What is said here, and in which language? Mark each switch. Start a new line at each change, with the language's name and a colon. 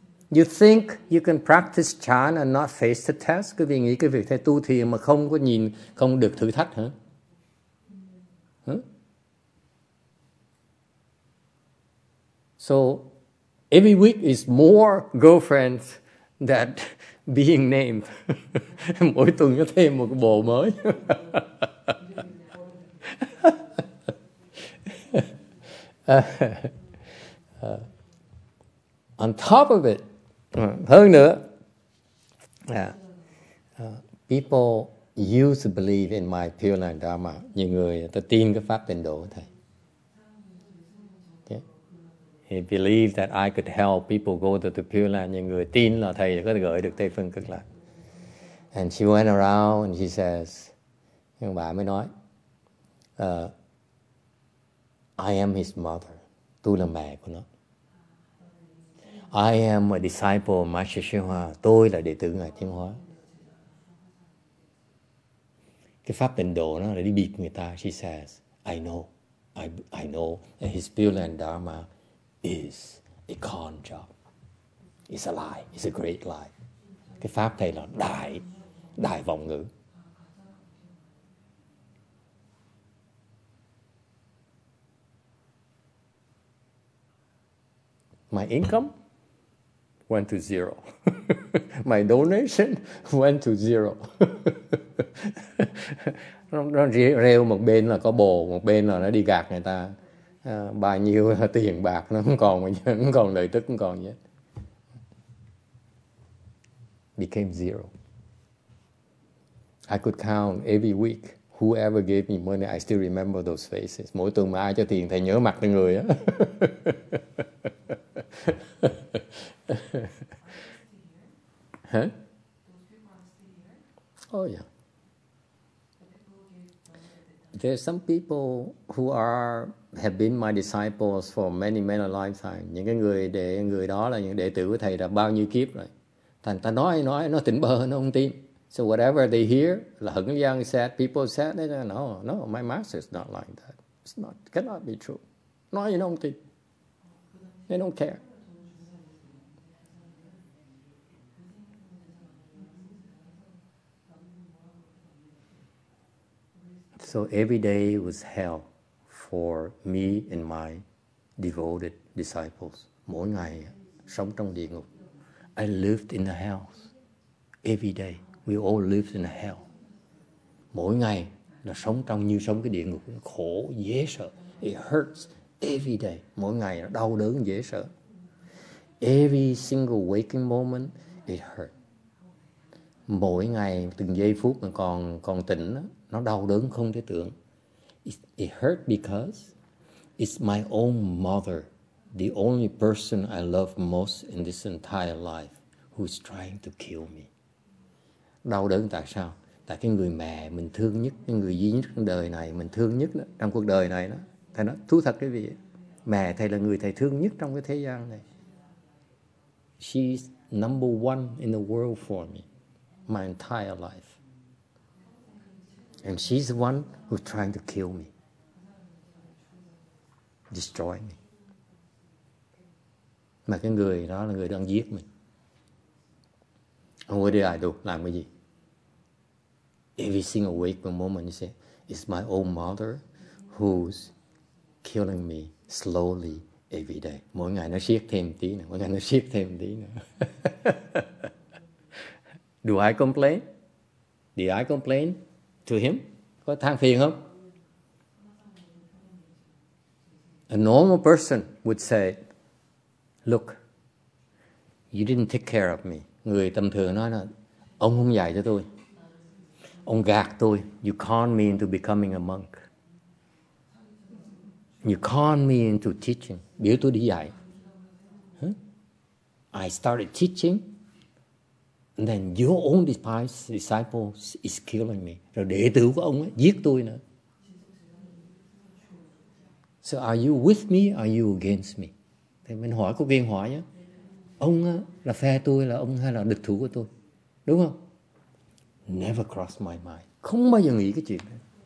English: You think you can practice chan and not face the test?
Vietnamese: Quý vị nghĩ cái việc thầy tu thiền mà không có nhìn, không được thử thách hả?
English: So every week is more girlfriends than being named.
Vietnamese: Mỗi tuần có thêm một bộ mới.
English: On top of it,
Vietnamese: hơn nữa,
English: people used to believe in my Pure Land Dharma.
Vietnamese: Nhiều người ta tin cái pháp tịnh độ của thầy.
English: Okay. He believed that I could help people go to the Pure Land.
Vietnamese: Nhiều người tin là thầy có thể gửi được Tây Phương Cực Lạc.
English: And she went around and she says,
Vietnamese: nhưng bà mới nói,
English: I am his mother.
Vietnamese: Tôi là mẹ của nó.
English: I am a disciple of Master Xuyên Hoa.
Vietnamese: Tôi là đệ tử Ngài Thiên Hóa. Cái pháp tịnh độ nó là đi bịp người ta.
English: She says, I know. I know that his Pure Land Dharma is a con job. It's a lie. It's a great lie.
Vietnamese: Cái pháp thầy là đại, đại vọng ngữ.
English: My income went to zero. My donation went to zero.
Vietnamese: Nó rêu một bên là có bồ, một bên là nó đi gạt người ta. Bao nhiêu tiền bạc nó không còn lợi tức, không còn gì hết.
English: Became zero. I could count every week whoever gave me money, I still remember those faces.
Vietnamese: Mỗi tuần mà ai cho tiền, thầy nhớ mặt người á.
English: Huh? Oh yeah. There's some people who have been my disciples for many lifetimes.
Vietnamese: Những cái người đó là những đệ tử của thầy đã bao nhiêu kiếp rồi. Thành ta nói nó tỉnh bơ nó không tin.
English: So whatever they hear, là Hưng Giang said, people said, they say, no, my master is not like that. It's not, cannot be true.
Vietnamese: Nói gì nó không tin.
English: They don't care. So every day was hell for me and my devoted disciples.
Vietnamese: Mỗi ngày sống trong địa ngục.
English: I lived in the hell every day. We all lived in the hell.
Vietnamese: Mỗi ngày là sống trong như sống cái địa ngục, khổ dễ sợ.
English: It hurts every day.
Vietnamese: Mỗi ngày nó đau đớn dễ sợ.
English: Every single waking moment, it hurt.
Vietnamese: Mỗi ngày, từng giây phút mà còn tỉnh, nó đau đớn không thể tưởng.
English: It hurt because it's my own mother, the only person I love most in this entire life, who's trying to kill me.
Vietnamese: Đau đớn tại sao? Tại cái người mẹ mình thương nhất, cái người duy nhất trong đời này, mình thương nhất đó, trong cuộc đời này đó. Thầy nói, thú thật cái gì? Mẹ thầy là người thầy thương nhất trong cái thế gian này.
English: She's number one in the world for me, my entire life. And she's the one who's trying to kill me, destroy me.
Vietnamese: Mà cái người đó là người đang giết mình.
English: What did I do?
Vietnamese: Làm cái gì?
English: Every single waking moment, you say, it's my own mother who's killing me slowly every day.
Vietnamese: Mỗi ngày nó siết thêm tí nữa. Mỗi ngày nó siết thêm tí nữa.
English: Do I complain? Did I complain to him?
Vietnamese: Có than phiền không?
English: A normal person would say, look, you didn't take care of me.
Vietnamese: Người tầm thường nói là, ông không dạy cho tôi. Ông gạt tôi.
English: You conned me into becoming a monk. You conned me into teaching.
Vietnamese: Biểu tôi đi dạy.
English: Huh? I started teaching. And then your own disciples is killing me.
Vietnamese: Rồi đệ tử của ông ấy giết tôi nữa.
English: So are you with me? Are you against me?
Vietnamese: Thì mình hỏi có viên hỏi nhé. Ông là phe tôi, là ông hay là địch thủ của tôi? Đúng không?
English: Never cross my mind.
Vietnamese: Không bao giờ nghĩ cái chuyện này.